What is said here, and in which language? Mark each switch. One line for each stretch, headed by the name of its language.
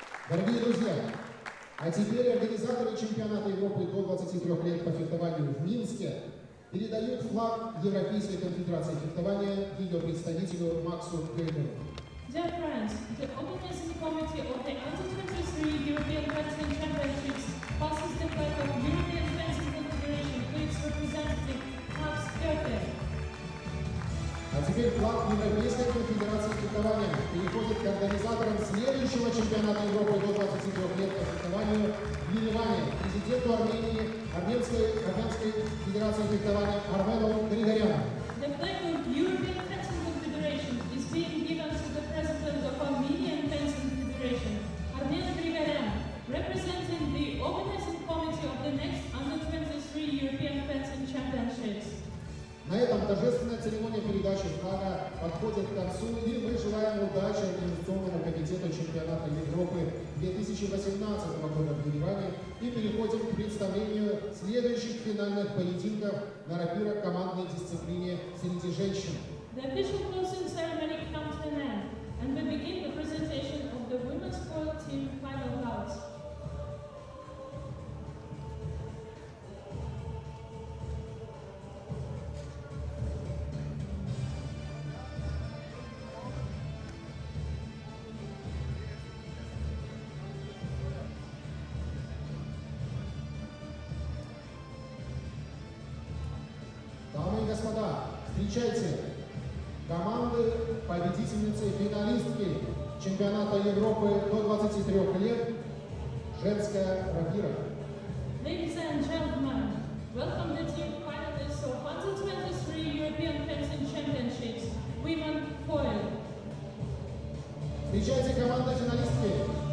Russian: Дорогие друзья, а теперь организаторы чемпионата Европы до 23 лет по фехтованию в Минске передают флаг Европейской конфедерации фехтования ее представителю Максу Гельмеру.
English: Dear friends, the organizing committee of the Under 23 European Fencing Championships passes the flag of European Fencing Confederation to its representative, Max Kerker.
Russian: А теперь флаг Европейской конфедерации фехтования переходит к организаторам следующего чемпионата Европы до 23 лет по фехтованию в Ереване, президенту Армении, Армянской федерации фехтования Армену Григоряну.
English: The flag of European Fencing Confederation is being given to the president of Armenian Fencing Confederation, Армен Григорян, representing the organizing committee of the next Under 23 European Fencing Championships.
Russian: На этом торжественная церемония передачи флага подходит к концу, и мы желаем удачи организационному комитету чемпионата Европы 2018 года в Ереване и переходим к представлению следующих финальных поединков на рапирах командной дисциплины среди женщин.
English: The official closing ceremony comes to an end, and we begin the presentation of the women's foil team final bouts.
Russian: Господа, встречайте команды победительницы и финалистки чемпионата Европы до 23 лет женская рапира.
English: Ladies and gentlemen, welcome the team finalists of Under 23 European Fencing Championships Women Foil.
Russian: Встречайте команды финалистки.